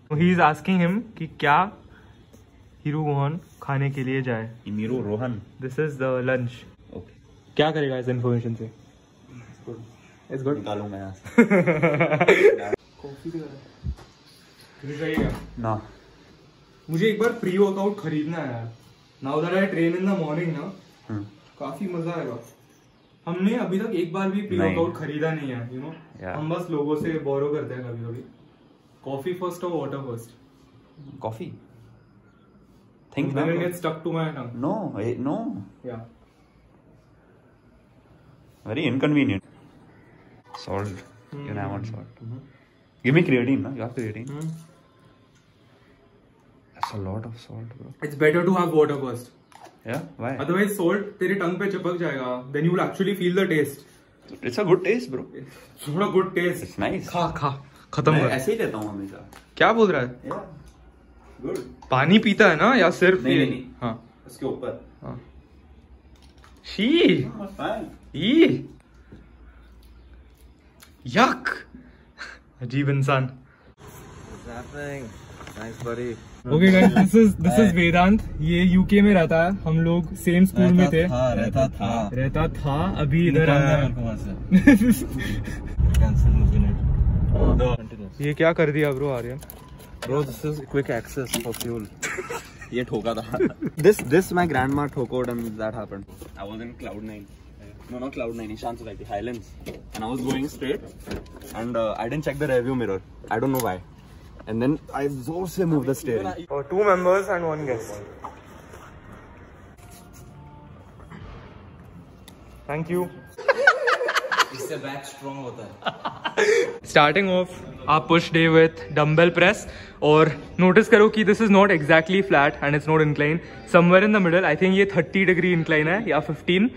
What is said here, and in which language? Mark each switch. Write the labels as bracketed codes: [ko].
[en] So he is asking him [hi] कि क्या hero Rohan खाने के लिए जाए? Hero Rohan? [en] This is the lunch. Okay. [hi] क्या करेगा इस information से? [en] It's good. [hi] निकालूंगा यहाँ से. Coffee भी करें? खरीद रही है? [en] Nah. [hi] मुझे एक बार pre-workout खरीदना है यार. [en] Now that I train in the morning ना, [hi] काफी मजा आएगा. हमने अभी तक एक बार भी प्री वर्कआउट खरीदा नहीं है, [en] You know? [hi] हम बस लोगों से बोरो करते हैं कभी कभी। [en] Coffee first और water first? Coffee. Think that will get stuck to my tongue. No no, yeah very inconvenient. Salt, you know, I want salt. Give me creatine ना, you have creatine. That's a lot of salt bro. It's better to have water first. Yeah? Why? Otherwise salt [hi] तेरे टंग पे चिपक जाएगा, [en] then you will actually feel the taste. It's a good taste, bro. It's a good taste. It's nice. [hi] खा खा, खत्म कर। ऐसे ही देता हूँ हमेशा। क्या बोल रहा है? [en] Yeah. Good. [hi] पानी पीता है ना या सिर्फ? नहीं नहीं, हाँ उसके ऊपर। हाँ। शी। [en] Fine. [hi] यक। अजीब इंसान। [en] What's happening? Thanks, buddy. Okay guys, this is Vedant. [hi] ये यूके में रहता है, हम लोग सेम स्कूल में थे। रहता था अभी इधर आया है। ये क्या कर दिया bro Aryan? [en] Bro this is quick access for fuel. [hi] ये ठोका था। [en] This my grandma ठोकोड and that happened. I was in cloud 9। No, not cloud 9, Ishan Society, Highlands. And I was going straight and I didn't check the rearview mirror. I don't know why. And then I also move the stair. Oh, two members and one guest. Thank you. [hi] इससे back strong होता है. [en] Starting off our push day with dumbbell press. [hi] और notice करो कि [en] this is not exactly flat and it's not inclined. Somewhere in the middle, I think [hi] ये 30 degree incline है या 15.